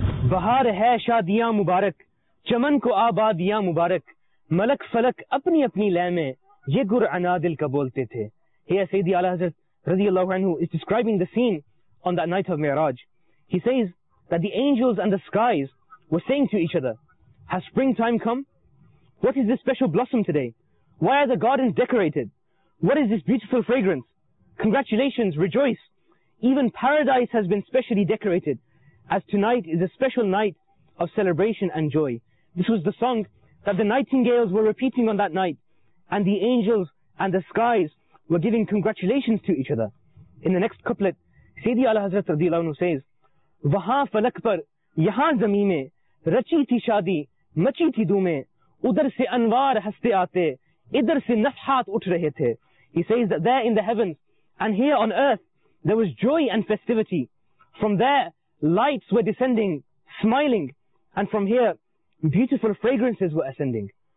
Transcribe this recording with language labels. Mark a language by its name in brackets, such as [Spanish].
[Urdu] بہار ہے شادیاں مبارک، چمن کو آبادیاں مبارک، ملک فلک اپنی اپنی لے میں یہ گر انادل کا بولتے تھے. [English] ہے سیدی اعلی حضرت رضی اللہ عنہ is describing the scene on that night of Mi'raj. He says that the angels and the skies were saying to each other, has springtime come? What is this special blossom today? Why are the gardens decorated? What is this beautiful fragrance? Congratulations, rejoice. Even paradise has been specially decorated, as tonight is a special night of celebration and joy. This was the song that the nightingales were repeating on that night, and the angels and the skies were giving congratulations to each other. In the next couplet, Sayyidi Ala Hazrat رضی اللہ عنہ says, [Urdu] وہاں فلک پر یہاں زمین میں رچی تھی شادی مچی تھی دھومیں ادھر سے انوار ہستے آتے ادھر سے نفحات اٹھ رہے تھے. [English] He says that there in the heavens and here on earth there was joy and festivity. From there lights were descending, smiling, and from here beautiful fragrances were ascending.